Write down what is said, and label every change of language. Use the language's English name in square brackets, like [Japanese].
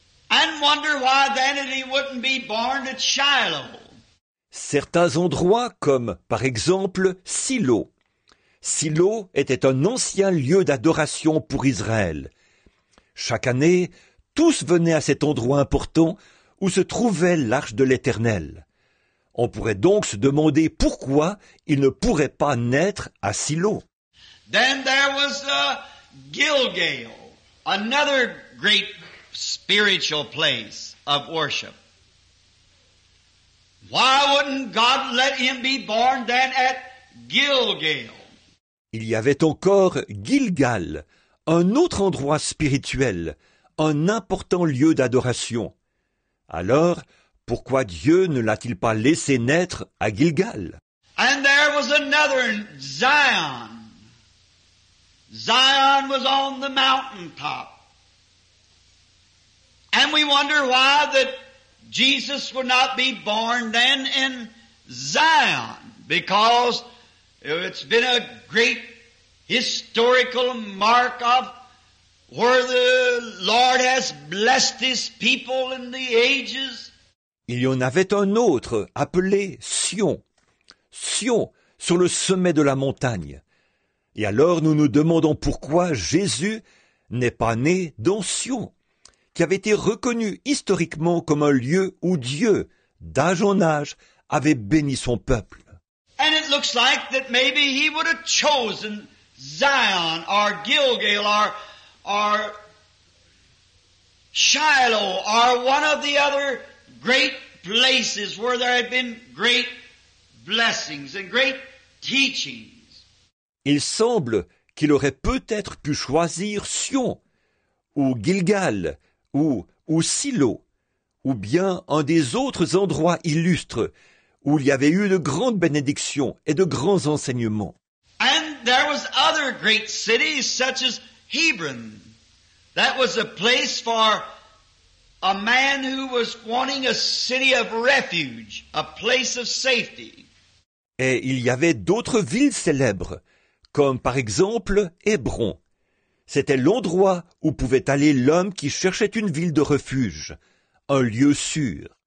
[English] And wonder why then he wouldn't be born at Shiloh. [French] Certains endroits, comme par exemple Silo. Silo était un ancien lieu d'adoration pour Israël. Chaque année, tous venaient à cet endroit important où se trouvait l'Arche de l'Éternel. On pourrait donc se demander pourquoi il ne pourrait pas naître à Silo. [English] Then there was Gilgal, another great spiritual place of worship. Why wouldn't God let him be born then at Gilgal? [French] Il y avait encore Gilgal, un autre endroit spirituel, un important lieu d'adoration. Alors, pourquoi Dieu ne l'a-t-il pas laissé naître à Gilgal? [English] And there was another Zion. Zion was on the mountaintop. And we wonder why that Jesus would not be born then in Zion, because it's been a great historical mark of where the Lord has blessed his people in the ages. [French] Il y en avait un autre appelé Sion. Sion, sur le sommet de la montagne. Et alors nous nous demandons pourquoi Jésus n'est pas né dans Sion, qui avait été reconnu historiquement comme un lieu où Dieu, d'âge en âge, avait béni son peuple. [English] And it looks like that maybe he would have chosen Zion or Gilgal or Shiloh or one of the other great places where there had been great blessings and great teachings. [French] Il semble qu'il aurait peut-être pu choisir Sion ou Gilgal ou Silo ou bien un des autres endroits illustres où il y avait eu de grandes bénédictions et de grands enseignements. [English] And there was other great cities such as Hebron. That was a place for a man who was wanting a city of refuge, a place of safety. [French] Et il y avait d'autres villes célèbres, comme par exemple Hébron. C'était l'endroit où pouvait aller l'homme qui cherchait une ville de refuge, un lieu sûr.